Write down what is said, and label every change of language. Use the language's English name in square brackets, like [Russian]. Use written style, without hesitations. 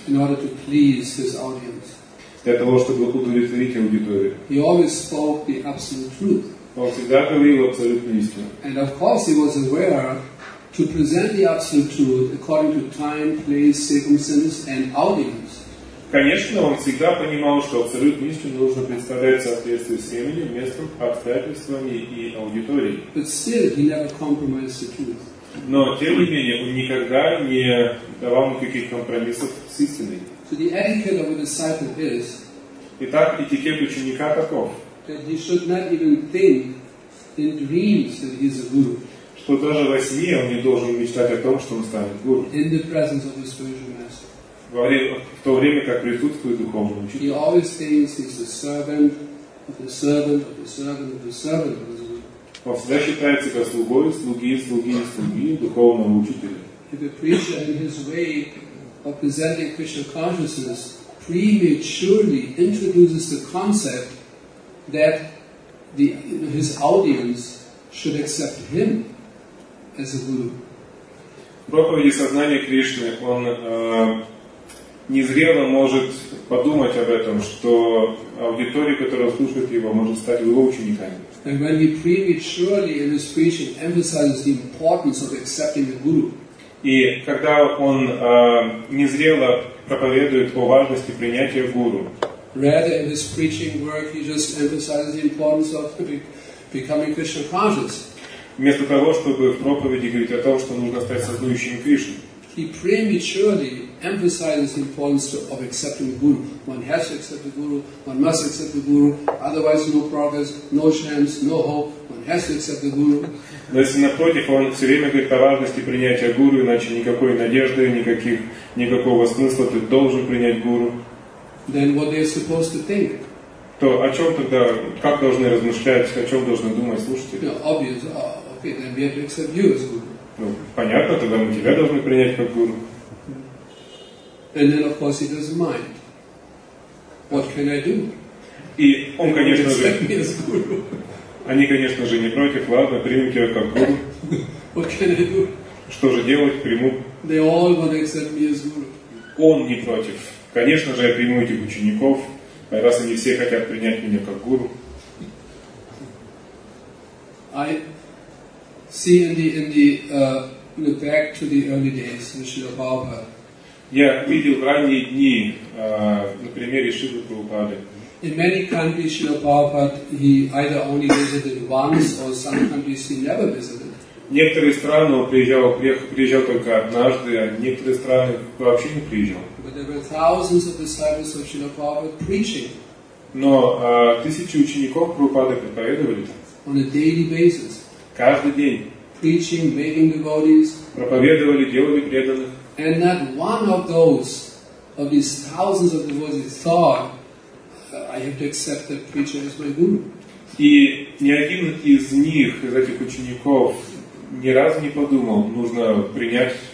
[English] In order to please his audience. [Russian] Для того, чтобы удовлетворить аудиторию. [English] He always spoke the absolute truth. [Russian] Он всегда говорил абсолютную истину. [English] And of course he was aware to present the absolute truth according to time, place, circumstances and audience. [Russian] Конечно, он всегда понимал, что абсолютную истину нужно представлять в соответствии с временем, местом, обстоятельствами и аудиторией. [English] But still he never compromised the truth. [Russian] Но, тем не менее, он никогда не давал никаких компромиссов с истиной. [English] So the etiquette of a disciple is. [Russian] Итак, этикет ученика таков. [English] That he should not even think in dreams that he is a guru. [Russian] Что даже во сне он не должен мечтать о том, что он станет гуру. [English] In the presence of the spiritual master. [Russian] В то время как присутствует духовный учитель. [English] He always thinks he's a servant of the servant of the servant of the servant of the guru. [Russian] Он всегда считает себя слугой, слуги духовного учителя. [English] If a preacher in his way of presenting Krishna consciousness prematurely introduces the concept that his audience should accept him as a guru. [Russian] Проповеди сознания Кришны, он незрело может подумать об этом, что аудитория, которая слушает его, может стать его учениками. [English] And when he prematurely in his preaching emphasizes the importance of accepting the guru. [Russian] И когда он незрело проповедует о важности принятия гуру. [English] Rather in his preaching work he just emphasizes the importance of becoming Krishna conscious. [Russian] Вместо того, чтобы в проповеди говорить о том, что нужно стать сознающим Кришну. [English] He prematurely emphasizes the importance of accepting the Guru. One has to accept the Guru, one must accept the Guru, otherwise no progress, no chance, no hope, one has to accept the Guru. [Russian] Но если напротив, он все время говорит о важности принятия Гуру, иначе никакой надежды, никакого смысла, ты должен принять Гуру. [English] Then what they are supposed to think? [Russian] То о чем тогда, как должны размышлять, о чем должны думать слушатели? [English] Yeah, obvious. Okay, then we have to accept you as Guru. [Russian] Ну, понятно, тогда мы тебя должны принять как гуру. [English] And then, of course, he doesn't mind. What can I do? [Russian] И он, конечно же, они, конечно же, не против, ладно, примем тебя как гуру. [English] What can I do? [Russian] Что же делать, приму. [English] They all want to accept me as guru. [Russian] Он не против. Конечно же, я приму этих учеников, раз они все хотят принять меня как гуру. [English] See in the back to the early days, Srila Prabhupada. [Russian] Я видел ранние дни, например, Шрилы Прабхупады. [English] In many countries, Srila Prabhupada, he either only visited once, or some countries he never visited. [Russian] Некоторые страны он приезжал только однажды, а некоторые страны вообще не приезжал. [English] But there were thousands of disciples of Srila Prabhupada preaching. [Russian] Но тысячи учеников Прабхупады проповедовали. [English] On a daily basis. [Russian] Каждый день. [English] Preaching, begging devotees. [Russian] Проповедовали, делали преданных. [English] And not one of these thousands of devotees thought, I have to accept that preacher as my guru. [Russian] И ни один из них, из этих учеников, ни разу не подумал, нужно принять...